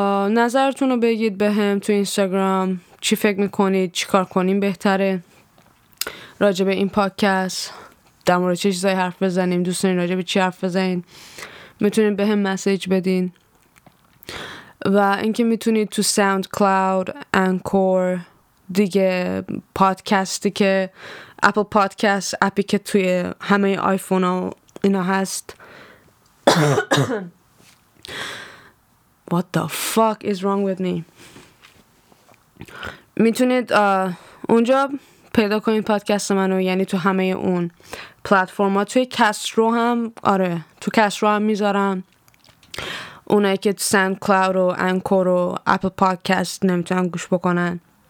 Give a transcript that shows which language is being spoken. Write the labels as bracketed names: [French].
[Persian] نظرتون رو بگید به هم تو اینستاگرام، چی فکر میکنید، چی کار کنیم بهتره راجع به این پادکست، در مورد چه چیزای حرف بزنیم، دوست دارین راجع به چی حرف بزنین، میتونید به هم مسیج بدین. و اینکه میتونید تو ساوند کلاود، انکور، دیگه پادکستی که اپل پادکست، اپی که توی همه آیفون ها اینا هست. [English] What the fuck is wrong with me? [Persian] میتونید اونجا پیدا کنید پادکست منو، یعنی تو همه اون پلتفرما. توی کسترو هم، آره تو کسترو هم میذارم، اونایی که تو ساوند کلاود و انکور و اپل پادکست نمیتونن گوش بکنن.